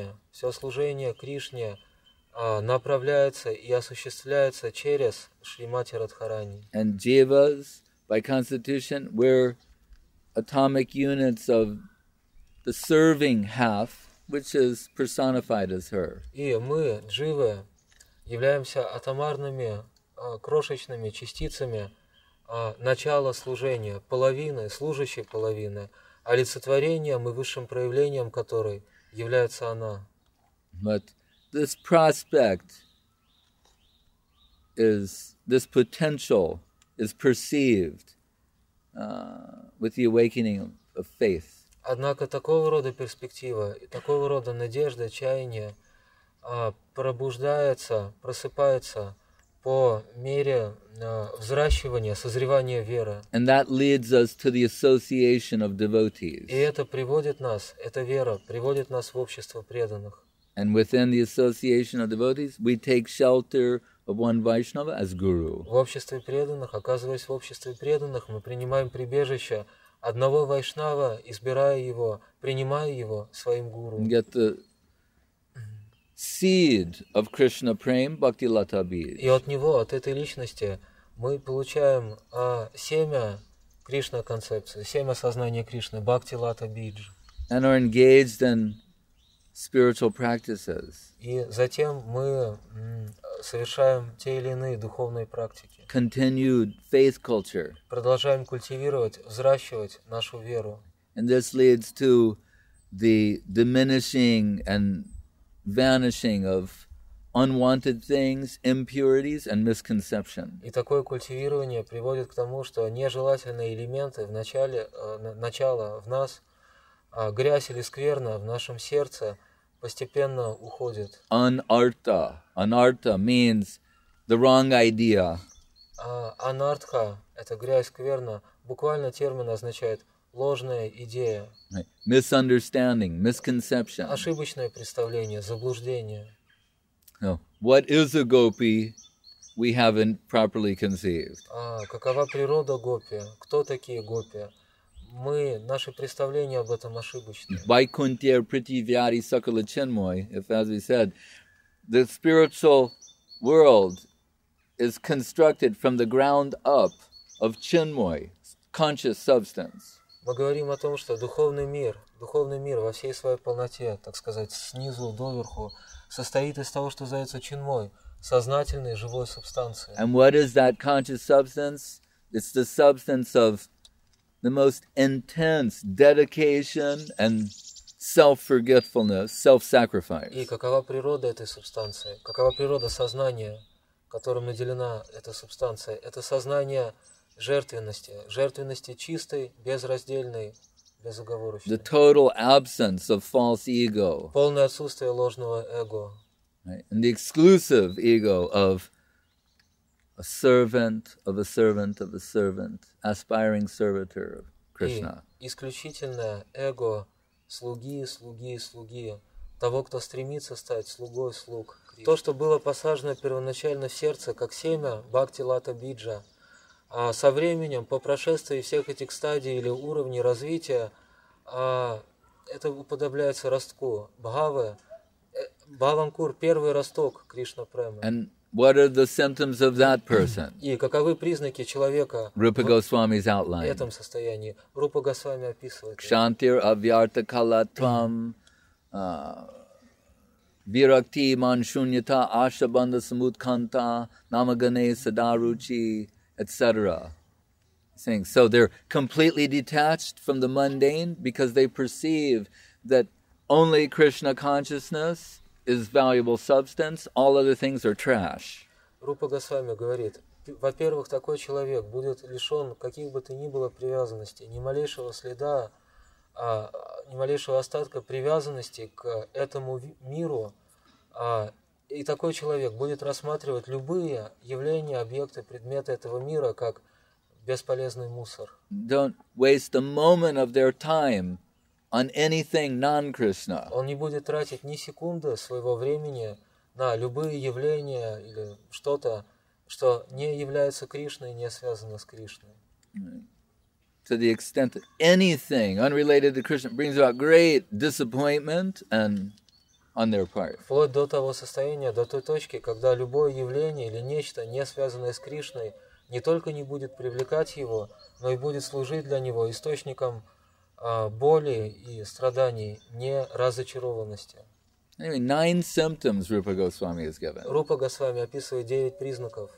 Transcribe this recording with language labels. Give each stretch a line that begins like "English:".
Russian: Все служение Кришне направляется и осуществляется через Шримати Радхарани.
English: And jivas, by constitution, were atomic units of the serving half, which is personified as her.
Russian: И мы, дживы, являемся атомарными, крошечными частицами начала служения, половины, служащей половины, олицетворением и высшим проявлением которой является она.
English: But this prospect is, this potential is perceived with the awakening of faith.
Russian: Однако такого рода перспектива, такого рода надежда, чаяние пробуждается, просыпается по мере взращивания, созревания веры.
English: And that leads us to the association of devotees.
Russian: И это приводит нас, эта вера приводит нас в общество преданных.
English: And within the association of devotees, we take shelter of one Vaishnava as guru.
Russian: В обществе преданных, оказываясь в обществе преданных, мы принимаем прибежище одного вайшнава, избирая его, принимая его своим гуру.
English: Get the seed of Krishna Prem, Bhakti Lata Bij.
Russian: И от него, от этой личности, мы получаем семя Кришна концепции, семя сознания Кришны, Бхакти Лата Бидж.
English: And are engaged in spiritual practices.
Russian: И затем мы совершаем те или иные духовные практики.
English: Continued faith culture.
Russian: Продолжаем культивировать, взращивать нашу веру.
English: And this leads to the diminishing and vanishing of unwanted things, impurities and misconception.
Russian: И такое культивирование приводит к тому, что нежелательные элементы в начале, начало в нас, грязь или скверна в нашем сердце постепенно уходит.
English: Anartha. Anartha means the wrong idea.
Russian: Anartha – это грязь, скверна. Буквально термин означает ложная идея.
English: Right. Misunderstanding, misconception.
Russian: Ошибочное представление, заблуждение.
English: No. What is a gopi we haven't properly conceived?
Russian: Какова природа гопи? Кто такие гопи? Мы, наши представления об этом ошибочны.
Bangla: Vaikuntha prithivyari sakala chinmoy,
English: if as we said, the spiritual world is constructed from the ground up of chinmoy, conscious substance.
Russian: Мы говорим о том, что духовный мир, духовный мир во всей своей полноте, так сказать, снизу доверху, состоит из того, что называется чинмой, сознательной живой субстанции.
English: And what is that conscious substance? It's the substance of the most intense dedication and self-forgetfulness, self-sacrifice.
Russian: И какова природа этой субстанции? Какова природа сознания, которым наделена эта субстанция? Это сознание жертвенности, жертвенности чистой, безраздельной, безоговорочной.
English: The total absence of false ego.
Russian: Полное отсутствие ложного эго.
English: Right? And the exclusive ego of a servant of a servant of a servant, aspiring servitor of Krishna.
Russian: И исключительное эго слуги, слуги, слуги, того, кто стремится стать слугой слуг. То, что было посажено первоначально в сердце, как семя Бхакти Лата Биджа, со временем, по прошествии всех этих стадий или уровней развития, это уподобляется ростку Бхавы, Бхаванкур, первый росток Кришна Премы.
English: And what are the symptoms of that person?
Russian: И каковы признаки человека
English: Rupa Goswami's outline.
Russian: В этом состоянии? Рупа Госвами описывает.
Sanskrit: Кшантир авьярта калатвам виракти маншуньята ашабанда самутканта намагане садаручи, etc.
English: Saying, so they're completely detached from the mundane because they perceive that only Krishna consciousness is valuable substance, all other things are trash.
Russian: Рупа Госвами говорит, во-первых, такой человек будет лишен каких бы то ни было привязанностей, ни малейшего следа, ни малейшего остатка привязанности к этому миру, и такой человек будет рассматривать любые явления, объекты, предметы этого мира как бесполезный мусор.
English: Don't waste a moment of their time on anything non-Krishna.
Russian: Он не будет тратить ни секунды своего времени на любые явления или что-то, что не является Кришной, не связано с Кришной.
English: To the extent that anything unrelated to Krishna brings about great disappointment and on their part.
Russian: Вплоть до того состояния, до той точки, когда любое явление или нечто, не связанное с Кришной, не только не будет привлекать его, но и будет служить для него источником боли и страданий, не разочарованности.
English: Anyway, 9 symptoms Rupa Goswami has given.
Russian: Рупа Госвами описывает 9 признаков.